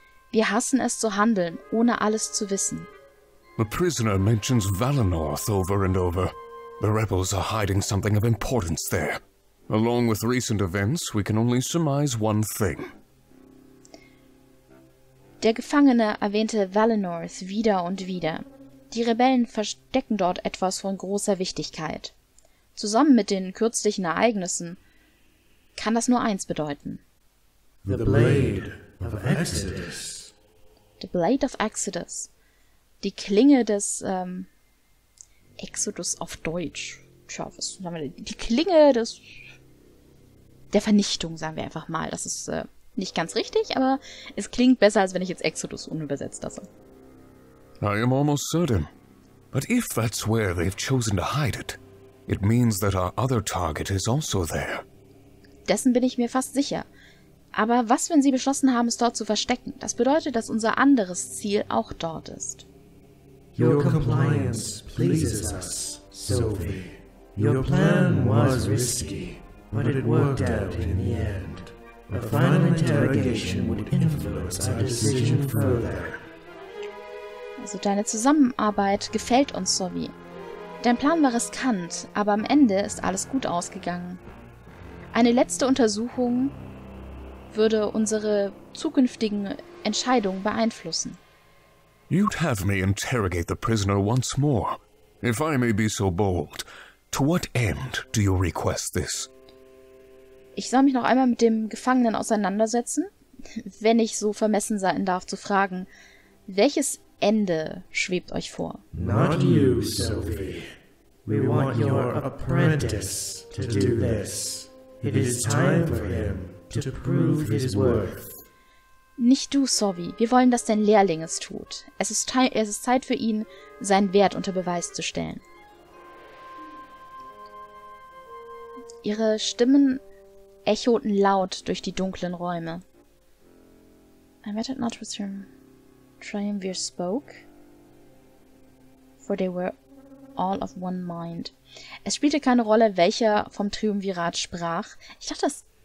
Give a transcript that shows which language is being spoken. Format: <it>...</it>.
<de>Wir hassen es zu handeln, ohne alles zu wissen.</de> <en>The prisoner mentions Valinorth over and over. The rebels are hiding something of importance there. Along with recent events, we can only surmise one thing.</en> <de>Der Gefangene erwähnte Valinorth wieder und wieder. Die Rebellen verstecken dort etwas von großer Wichtigkeit. Zusammen mit den kürzlichen Ereignissen kann das nur eins bedeuten.</de> <en>The Blade of Exodus. The Blade of Exodus.</en> <de>Die Klinge des, Exodus auf Deutsch. Tja, was sagen wir denn? Die Klinge des, der Vernichtung, sagen wir einfach mal. Das ist, nicht ganz richtig, aber es klingt besser, als wenn ich jetzt Exodus unübersetzt lasse.</de> <en>I am almost certain. But if that's where they've chosen to hide it, it means that our other target is also there.</en> <de>Dessen bin ich mir fast sicher. Aber was, wenn sie beschlossen haben, es dort zu verstecken? Das bedeutet, dass unser anderes Ziel auch dort ist.</de> <en>Your compliance pleases us, Sovi. Your plan was risky, but it worked out in the end. A final interrogation would influence our decision further.</en> <de>Also deine Zusammenarbeit gefällt uns, Sovi. Dein Plan war riskant, aber am Ende ist alles gut ausgegangen. Eine letzte Untersuchung würde unsere zukünftigen Entscheidungen beeinflussen.</de> <en>You'd have me interrogate the prisoner once more, if I may be so bold. To what end do you request this?</en> <de>Ich soll mich noch einmal mit dem Gefangenen auseinandersetzen, wenn ich so vermessen sein darf, zu fragen, welches Ende schwebt euch vor?</de> <en>Not you, Sovi. We want your apprentice to do this. It is time for him to prove his worth.</en> <de>Nicht du, Sovi. Wir wollen, dass dein Lehrling es tut. Es ist Zeit für ihn, seinen Wert unter Beweis zu stellen. Ihre Stimmen echoten laut durch die dunklen Räume.</de> <en>I met it not with him. Triumvir spoke, for they were all of one mind.</en> <de>Es spielte keine Rolle, welcher vom Triumvirat sprach. Ich dachte, das</de>